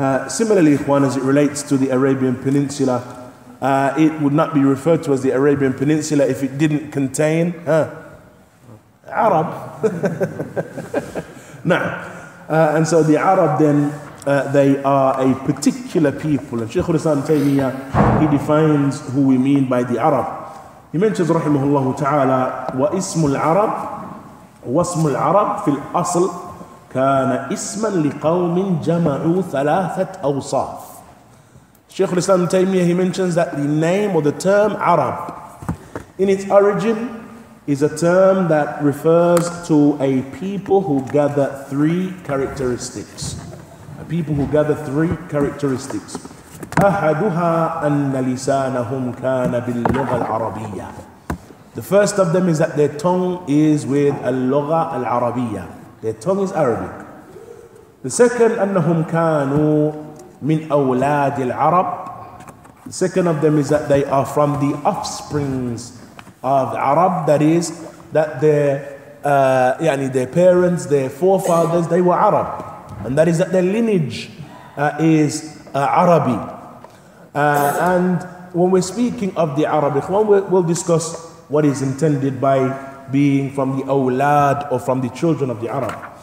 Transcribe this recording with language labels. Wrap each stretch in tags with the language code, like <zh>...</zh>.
<en>Similarly, ikhwan, as it relates to the Arabian Peninsula, it would not be referred to as the Arabian Peninsula if it didn't contain Arab. Now, and so the Arab then, they are a particular people. And Shaykh al-Islam Taymiyyah, he defines who we mean by the Arab. He mentions,</en> <ar>rahimahullah ta'ala, وَإِسْمُ الْعَرَبِ وَاسْمُ الْعَرَبِ فِي الْأَصْلِ كَانَ إِسْمًا لِقَوْمٍ جَمَعُوا ثَلَاثَةَ أَوْصَافٍ.</ar> <en>Shaykh al-Islam Taymiyyah, he mentions that the name or the term Arab, in its origin, is a term that refers to a people who gather three characteristics. People who gather three characteristics.</en> <ar>أَحَدُهَا أَنَّ لِسَانَهُمْ كَانَ بِاللُّغَ الْعَرَبِيَّةِ.</ar> <en>The first of them is that their tongue is with</en> <ar>اللغة العربية.</ar> <en>Their tongue is Arabic. The second,</en> <ar>أَنَّهُمْ كَانُوا مِنْ أَوْلَادِ الْعَرَبِ.</ar> <en>The second of them is that they are from the offsprings of Arab. That is, that their parents, their forefathers, they were Arab. And that is that their lineage is Arabi. And when we're speaking of the Arabic, we'll discuss what is intended by being from the awlad or from the children of the Arab.</en>